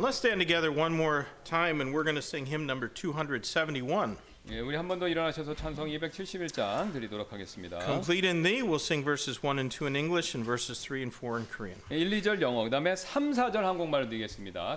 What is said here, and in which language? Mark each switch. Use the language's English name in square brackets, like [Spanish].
[English] Let's stand together one more time and we're going to sing hymn number 271. [Korean] 예, 우리 한 번 더 일어나셔서 찬송 271장 드리도록 하겠습니다. [English] Complete in thee, we'll sing verses 1 and 2 in English and verses 3 and 4 in Korean. [Korean] 예, 1, 2절 영어, 그 다음에 3, 4절 한국말로 드리겠습니다.